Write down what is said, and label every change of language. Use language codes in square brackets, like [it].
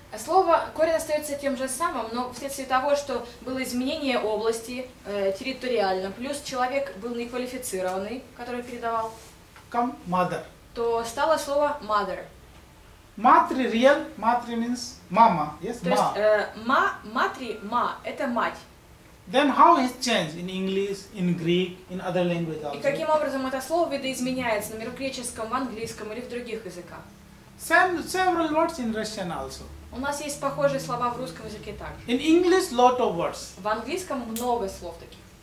[ru] Слово «корень» остается тем же самым, но вследствие того, что было изменение области территориально, плюс человек был неквалифицированный, который передавал, [en] come mother. [ru] То стало слово «mother». Матри рен, матри [en] means [ru] мама, yes? То есть, ма, матри, ма, это мать. [en] Then how it changed in English, in Greek, in other languages also? [ru] И каким образом это слово видоизменяется, например, в греческом, в английском или в других языках? [en] Same, several words in Russian also. [ru] У нас есть похожие слова в русском языке также. [en] In English, lot of words. [ru] В английском много слов таких.